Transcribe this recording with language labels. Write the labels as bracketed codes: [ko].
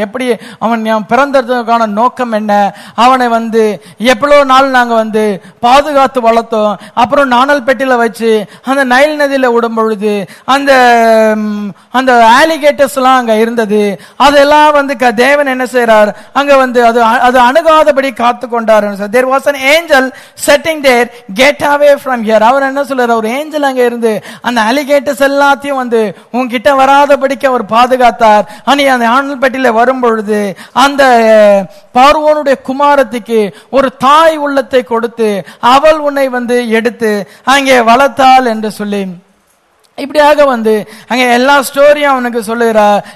[ta] எப்படி அவன் பிறந்ததுக்கான நோக்கம் என்ன? அவனை வந்து எவ்வளவு நாள் நாங்க வந்து பாதுகாத்து வளர்த்தோம், அப்புறம் நாணல் பெட்டியில வச்சு அந்த நைல் நதியில விடும் பொழுது அந்த அந்த ஆலிகேட்டர்ஸ் எல்லாம் அங்க இருந்தது, அதெல்லாம் வந்து தேவன் என்ன செய்யறார்? அங்க வந்து அது அது அணுகாதபடி காத்து கொண்டார். [en] There was an angel sitting there, get away from here. [ta] அவர் என்ன சொல்றார்? ஒரு ஏஞ்சல் அங்க இருந்து அந்த அலிகேட்டர்ஸ் எல்லாத்தையும் வந்து உன்கிட்ட வராதபடிக்கு அவர் பாதுகாத்தார். அனி அந்த ஆணல் பெட்டியில வரும் பொழுது அந்த பார்வோனுடைய குமாரத்துக்கு ஒரு தாய் உள்ளத்தை கொடுத்து அவள் உன்னை வந்து எடுத்து அங்கே வளர்த்தாள் என்று சொல்லி இப்படியாக வந்து அங்க எல்லா ஸ்டோரியும் அவனுக்கு சொல்லுகிறார்.